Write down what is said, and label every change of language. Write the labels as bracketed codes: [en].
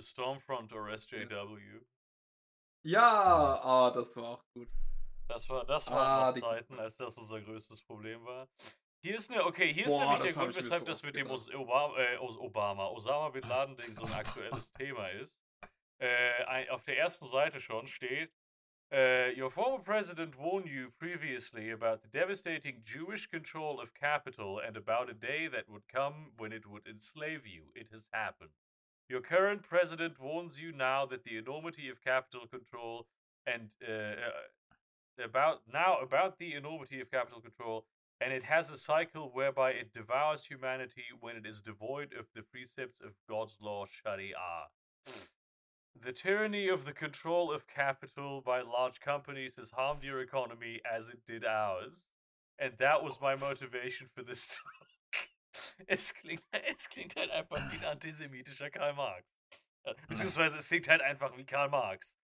[en] Stormfront or SJW. [de] Ja, das war auch gut. Das war Zeiten, als das unser größtes Problem war. Hier ist nämlich der Grund, weshalb das mit dem Osama Bin Laden Ding so ein aktuelles Thema ist. Auf der ersten Seite schon steht: [en] Your former president warned you previously about the devastating Jewish control of capital and about a day that would come when it would enslave you. It has happened. Your current president warns you now that the enormity of capital control and about the enormity of capital control, and it has a cycle whereby it devours humanity when it is devoid of the precepts of God's law, Sharia. The tyranny of the control of capital by large companies has harmed your economy as it did ours. And that was my motivation for this talk. [de] Es klingt halt einfach wie ein antisemitischer Karl Marx. Beziehungsweise es klingt halt einfach wie Karl Marx.